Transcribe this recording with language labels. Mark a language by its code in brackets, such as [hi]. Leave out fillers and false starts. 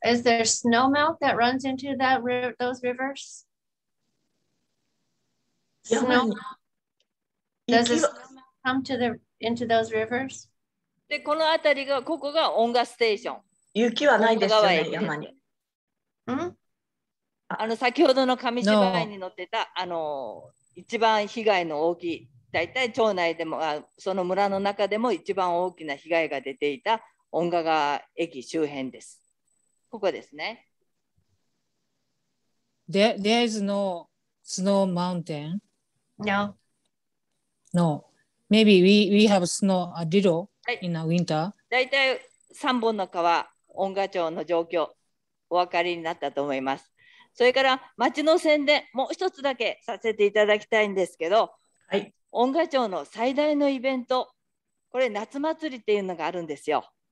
[en] Is there snow melt that runs into that river, those rivers? Snow melt. Does the snow melt come to the, into those rivers? [ja] で、この辺りが、ここが音楽ステーション。雪はないですよね、山に。あの、先ほどの紙芝居に乗ってた、no. あの、一番被害の大きい、だいたい町内でも、その村の中でも一番大きな被害が出ていた音楽川駅周辺です。ここですね。 [en] There is no snow mountain? No. No. Maybe we have snow a little in the winter. [ja] だいたい3本の川、音楽町の状況、お分かりになったと思います。それから町の宣伝もう一つだけさせていただきたいんですけど、はい、音楽町の最大のイベント、これ夏祭りっていうのがあるんですよ。